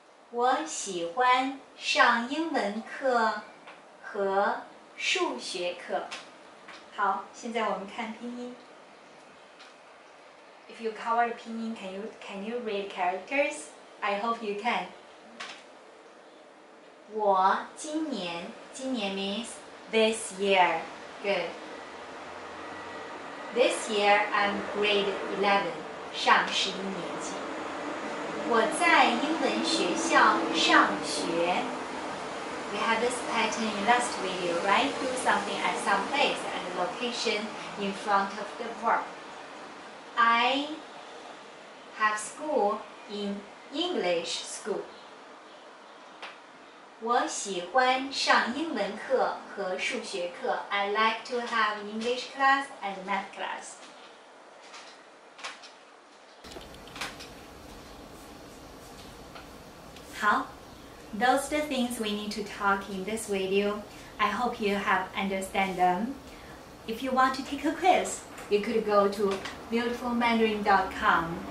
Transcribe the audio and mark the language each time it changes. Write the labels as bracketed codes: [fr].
[zh] 我喜欢上英文课和数学课。好，现在我们看拼音。 [en] If you cover the 拼音, can you read characters? I hope you can. [zh] 我今年，今年 [en] means this year. Good. This year I'm grade 11, [zh] 上十一年级。我在英文学校上学。 [en] We have this pattern in last video, right? Do something at some place and location in front of the verb. I have school in. English school. [zh] 我喜欢上英文课和数学课。 [en] I like to have English class and math class. [zh] 好, [en] those are the things we need to talk in this video. I hope you have understand them. If you want to take a quiz, you could go to beautifulmandarin.com.